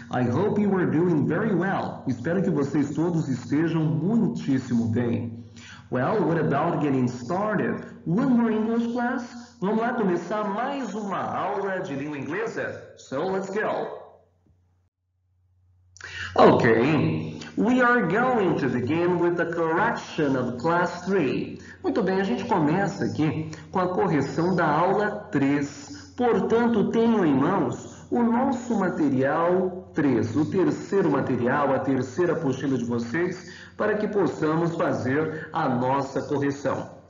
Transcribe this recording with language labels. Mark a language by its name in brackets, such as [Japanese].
[English] I hope you are doing very well. [Portuguese] Espero que vocês todos estejam muitíssimo bem. [English] Well, what about getting started? One more English class? [Portuguese] Vamos lá começar mais uma aula de língua inglesa? [English] So, let's go. Ok. We are going to begin with the correction of class 3. [Portuguese] Muito bem, a gente começa aqui com a correção da aula 3. Portanto, tenho em mãos o nosso material 3, o terceiro material, a terceira apostila de vocês, para que possamos fazer a nossa correção.